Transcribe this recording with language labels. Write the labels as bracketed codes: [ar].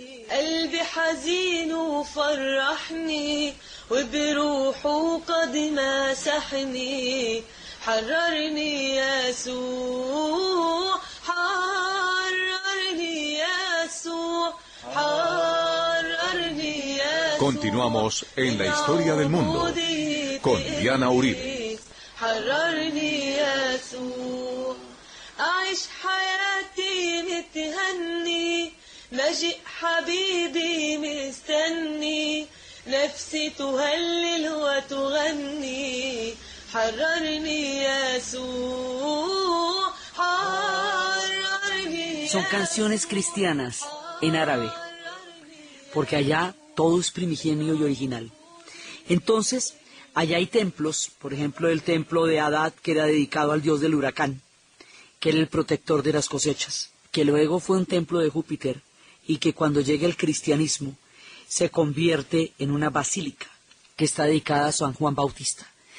[ar] قلبي حزين وفرحني وبروحه قد مسحني حررني يسوع حررني يسوع حررني يسوع. [es] Continuamos en la historia del mundo con Diana Uribe. [ar] حررني يسوع أعيش حياتي متهني مجيء حبيبي مستني نفسي تهلل وتغني حررني يسوع حررني. [es] Son canciones cristianas en árabe, porque allá todo es primigenio y original. Entonces, allá hay templos, por ejemplo el templo de Adad, que era dedicado al dios del huracán, que era el protector de las cosechas, que luego fue un templo de Júpiter, y que cuando llega el cristianismo se convierte en una basílica que está dedicada a San Juan Bautista.